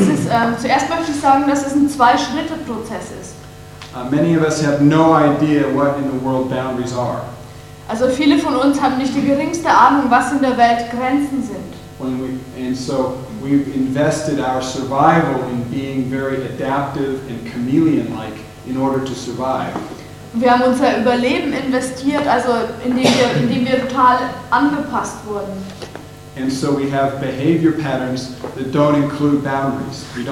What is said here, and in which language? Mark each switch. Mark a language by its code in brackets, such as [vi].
[de] Es ist zuerst möchte ich sagen, dass es ein Zwei-Schritte-Prozess ist. [en] Many of us have no idea what in the world boundaries are. [de] Also viele von uns haben nicht die geringste Ahnung, was in der Welt Grenzen sind. [en] So we've invested our survival in being very adaptive and chameleon-like in order to survive. [de] Wir haben unser Überleben investiert, also indem wir total angepasst wurden. [en] And so we have behavior patterns that don't include boundaries.